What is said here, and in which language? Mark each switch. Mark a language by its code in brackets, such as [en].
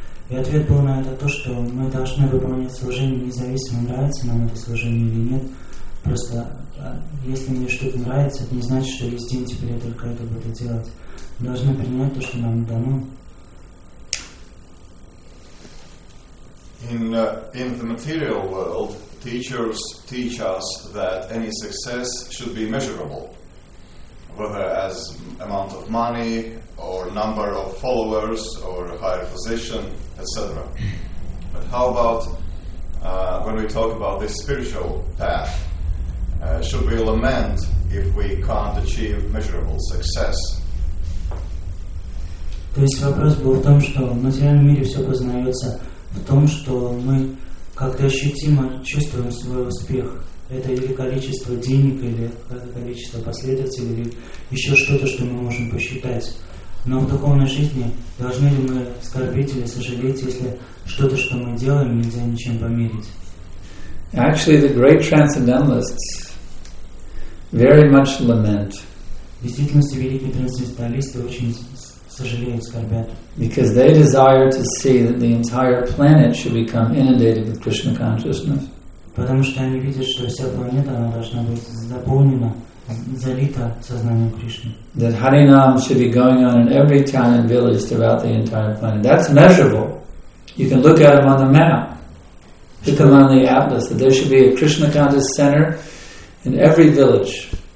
[ru] И ответ был на это то, что мы должны выполнять служение независимо, нравится нам это служение или нет. Просто если мне что-то нравится, это не значит, что весь день теперь я только это буду делать. Мы должны принять то, что нам дано. [en] In the material world, teachers teach us that any success should be measurable, whether as amount of money or number of followers or higher position, etc. But how about when we talk about this spiritual path? Should we lament if we can't achieve measurable success? [ru] То есть вопрос был в том, что в материальном мире все познается. В том, что мы как-то ощутимо чувствуем свой успех. Это или количество денег, или количество последователей, или еще что-то, что мы можем посчитать. Но в духовной жизни должны ли мы скорбить или сожалеть, если что-то, что мы делаем, нельзя ничем померить? [en] Actually, the great transcendentalists very much lament. [ru] В действительности, великие трансценденталисты очень сожалеют, скорбят. [en] Because they desire to see that the entire planet should become inundated with Krishna consciousness. [ru] Потому что они видят, что вся планета она должна быть заполнена, залита сознанием Кришны. [en] That Harinam should be going on in every town and village throughout the entire planet. That's measurable. You can look at them on the map. Look them on the atlas. That there should be a Krishna consciousness center in every village.